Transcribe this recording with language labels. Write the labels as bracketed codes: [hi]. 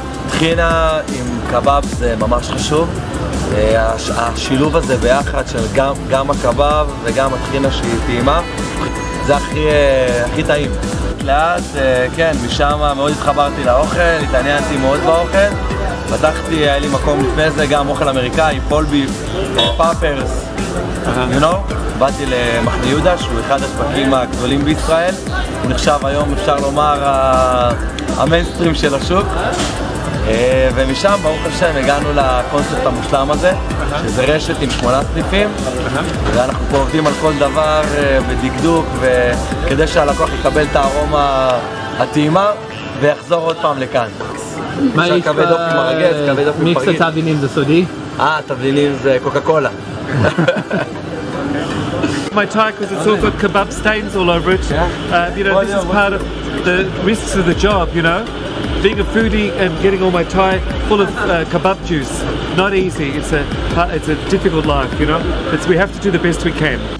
[en] Tchina in kebab is [he] mamash chashub. השילוב הזה ביחד של גם הקבב וגם הטחינה שהיא טעימה זה הכי טעים. לאט, כן, משם מאוד התחברתי לאוכל, התעניינתי מאוד באוכל. פתחתי, היה לי מקום לפני זה, גם אוכל אמריקאי, פולבי, פאפרס, [en] you know? [he] באתי למחנה יהודה, שהוא אחד השווקים הגדולים בישראל. הוא נחשב היום, אפשר לומר, המיינסטרים של השוק. ומשם, ברוך השם, הגענו לקונספט המושלם הזה, שזה רשת עם 8 סניפים, ואנחנו פה עובדים על כל דבר בדקדוק, וכדי שהלקוח יקבל את הארומה הטעימה, ויחזור עוד פעם לכאן. מה יש מיקס התבלינים זה סודי? התבלינים זה קוקה קולה. [en] My tie, because it's all got kebab stains all over it. Yeah. You know, this is part of the risks of the job, you know. Being a foodie and getting all my tie full of kebab juice, not easy. It's a difficult life, you know. We have to do the best we can.